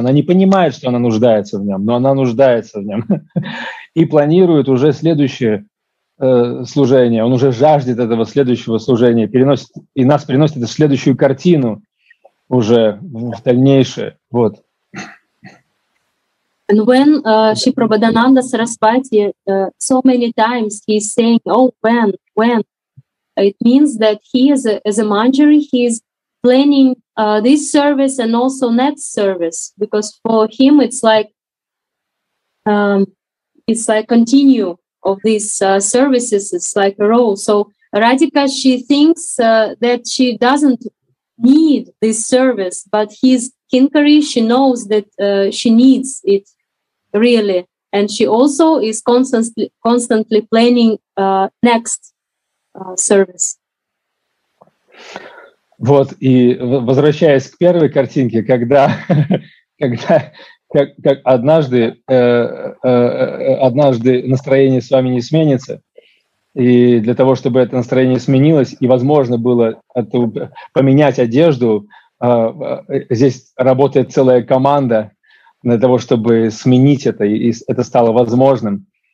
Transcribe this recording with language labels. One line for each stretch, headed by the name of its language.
Russian: Она не понимает, что она нуждается в нем, но она нуждается в нем. И планирует уже следующее служение, он уже жаждет этого следующего служения, переносит, и нас приносит это в следующую картину уже в дальнейшее. Вот.
English: And when Shri Prabhadananda Sarasvati so many times he is saying, oh, when? It means that he is as a manjari, he is planning this service and also next service, because for him it's like continue of these services, it's like a role. So Radhika, she thinks that she doesn't need this service, but his kinkari, she knows that she needs it really. And she also is constantly planning next service.
Russian: Вот, и возвращаясь к первой картинке, Как однажды настроение с вами не сменится, и для того, чтобы это настроение сменилось, и возможно было поменять одежду, здесь работает целая команда для того, чтобы сменить это, и это стало возможным.